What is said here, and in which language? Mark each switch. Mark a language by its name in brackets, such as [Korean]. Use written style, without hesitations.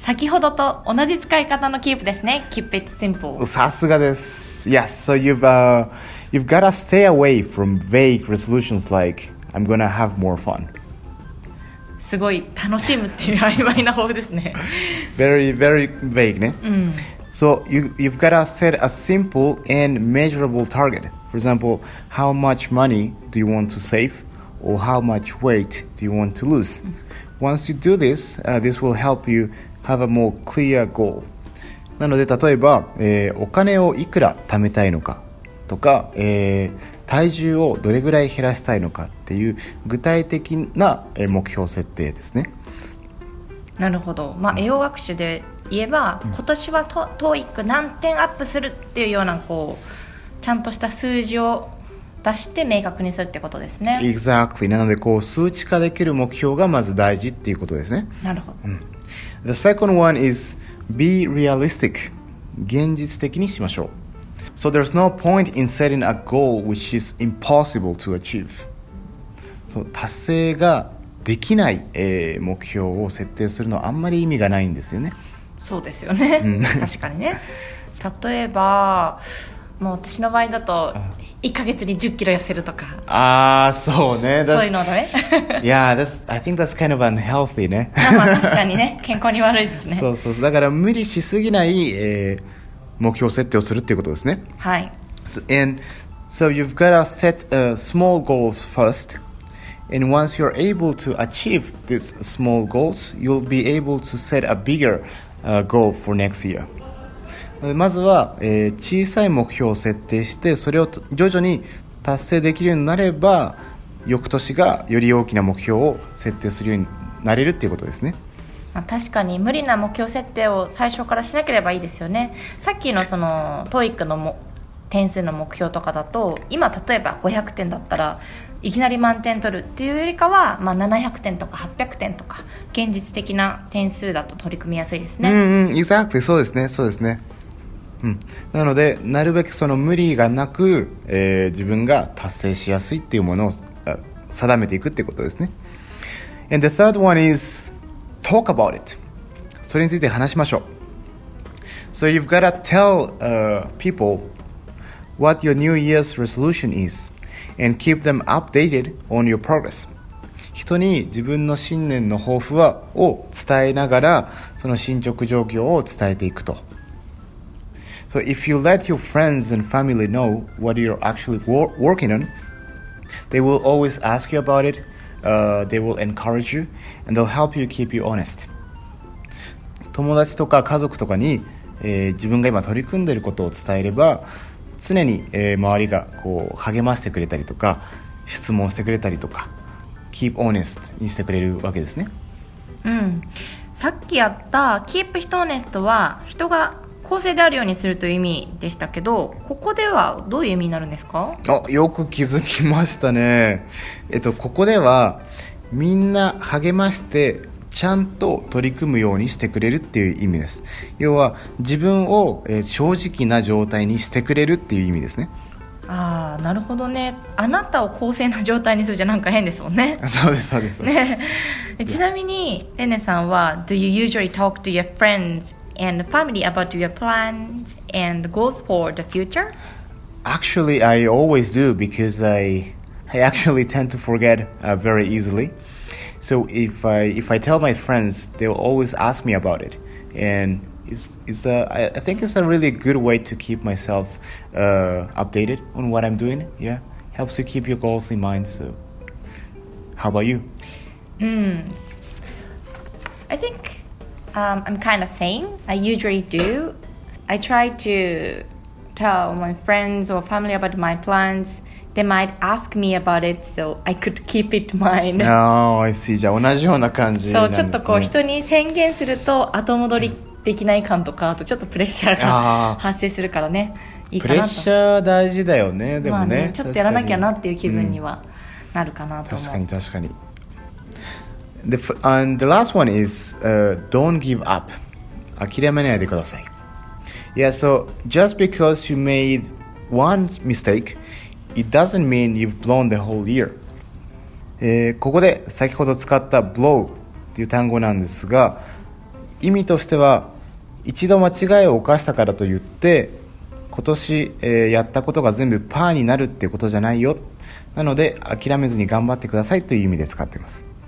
[Japanese] 先ほどと同じ使い方のキープですね。 [English] keep it simple。 [Japanese] さすがです。 [English] Yes, so you've gotta stay away from vague resolutions likeI'm gonna have more fun. [Japanese] すごい楽しむっていう曖昧な方ですね。 [English] Very, very vague, ね。 [Japanese] うん。 [English] So you've gotta set a simple and measurable target. For example, how much money do you want to save? Or how much weight do you want to lose? Once you do this, this will help you have a more clear goal. [Japanese] なので例えば、お金をいくら貯めたいのかとか、体重をどれぐらい減らしたいのかっていう具体的な目標設定ですね。なるほど。まあ、英語学習で言えば、うん、今年は TOEIC 何点アップするっていうような、こうちゃんとした数字を出して明確にするってことですね。 [English] Exactly。 [Japanese] なのでこう数値化できる目標がまず大事っていうことですね。なるほど、 [English] うん、The second one is be realistic。 [Japanese] 現実的にしましょう。 [English] So there's no point in setting a goal which is impossible to achieve. [Japanese] So 達成ができない、目標を設定するのはあんまり意味がないんですよね。そうですよね。確かにね。例えば、もう私の場合だと1ヶ月に10キロ痩せるとか。ああ、そうね。そういうのだね。 [English] Yeah, that's, I think that's kind of unhealthy, ね。 [Japanese] まあ確かにね、健康に悪いですね。そうそうそう。だから無理しすぎない、目標設定をするっていうことですね。はい。 [English] And so you've got to set small goals first. And once you're able to achieve these small goals, you'll be able to set a bigger goal for next year. [Japanese] まずは、小さい目標を設定して、それを徐々に達成できるようになれば、翌年がより大きな目標を設定するようになれるっていうことですね。確かに無理な目標設定を最初からしなければいいですよね。さっきのその TOEIC の点数の目標とかだと、今例えば500点だったらいきなり満点取るっていうよりかは、まあ、700点とか800点とか現実的な点数だと取り組みやすいですね。 [English] うん、exactly。 [Japanese] そうですね、そうですね、うん、なのでなるべくその無理がなく、自分が達成しやすいっていうものを定めていくっていうことですね。 [English] And the third one isTalk about it. [Japanese] それについて話しましょう。 [English] So you've got to tell people what your New Year's resolution is and keep them updated on your progress. [Japanese] 人に自分の新年の抱負を伝えながら、その進捗状況を伝えていくと。 [English] So if you let your friends and family know what you're actually working on, they will always ask you about itthey will encourage you and they'll help you keep you honest. [Japanese] 友達とか家族とかに、自分が今取り組んでいることを伝えれば、常に周りがこう励ましてくれたりとか、質問してくれたりとか、 keep honest にしてくれるわけですね。うん、さっきやった keep 人 honest は人が公正であるようにするという意味でしたけど、ここではどういう意味になるんですか？あ、よく気づきましたね。ここではみんな励ましてちゃんと取り組むようにしてくれるっていう意味です。要は自分を正直な状態にしてくれるっていう意味ですね。ああ、なるほどね。あなたを公正な状態にするじゃなんか変ですもんね。そうです、そうです。ね、ちなみにレネさんは [English] Do you usually talk to your friends and family about your plans and goals for the future? Actually, I always do because I actually tend to forget very easily. So if I tell my friends, they'll always ask me about it. And I think it's a really good way to keep myself updated on what I'm doing. Yeah, helps you keep your goals in mind. So how about you? I think I'm kind of same. I usually do. I try to tell my friends or family about my plans. They might ask me about it, so I could keep it mine. Oh, I see. [Japanese] じゃあ同じような感じなんですね。そう、ちょっとこう人に宣言すると後戻りできない感とか、あとちょっとプレッシャーが発生するからね。いいかなと。プレッシャー大事だよね、でもね。まあね、ちょっとやらなきゃなっていう気分にはなるかなと思う。確かに確かに。 [English] And the last one is, don't give up. [Japanese] 諦めないでください。 [English] Yeah, so just because you made one mistake, it doesn't mean you've blown the whole year. [Japanese] ここで先ほど使った blow っていう単語なんですが、意味としては一度間違いを犯したからといって今年、やったことが全部パーになるっていうことじゃないよ。なので諦めずに頑張ってくださいという意味で使っています。